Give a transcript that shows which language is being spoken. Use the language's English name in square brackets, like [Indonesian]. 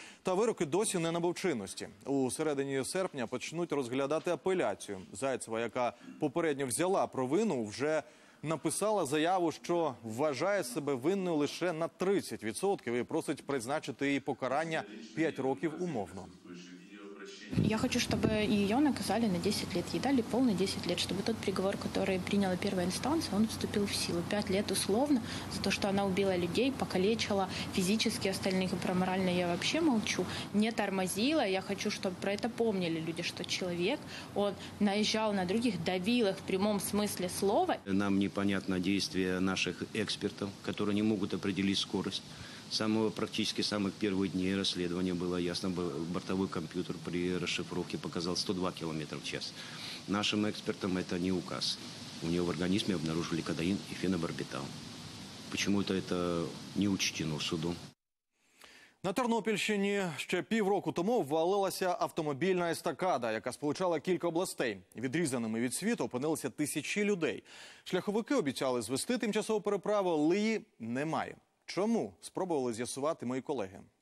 [Ukrainian] Та вироки досі не набув чинності. У середині серпня почнуть розглядати апеляцію. Зайцева, яка попередньо взяла провину, вже написала заяву, що вважає себе винною лише на 30% і просить призначити її покарання 5 років умовно. [Russian] Я хочу, чтобы ее наказали на 10 лет, ей дали полный 10 лет, чтобы тот приговор, который приняла первая инстанция, он вступил в силу. 5 лет условно за то, что она убила людей, покалечила физически остальных и про морально я вообще молчу, не тормозила. Я хочу, чтобы про это помнили люди, что человек, он наезжал на других, давил их в прямом смысле слова. Нам непонятно действия наших экспертов, которые не могут определить скорость. Практически самых первых дней расследования было ясно, бортовой компьютер при расшифровке показал 102 км в час. Нашим экспертам это не указ. У нее в организме обнаружили кодеин и фенобарбитал. Почему-то это не учтено судом. [Ukrainian] На Тернопільщині ще півроку тому ввалилася автомобільна естакада, яка сполучала кілька областей. Відрізаними від світу опинилися тисячі людей. Шляховики обіцяли звести тимчасову переправу, але її немає. Чому? Спробували з'ясувати мої колеги.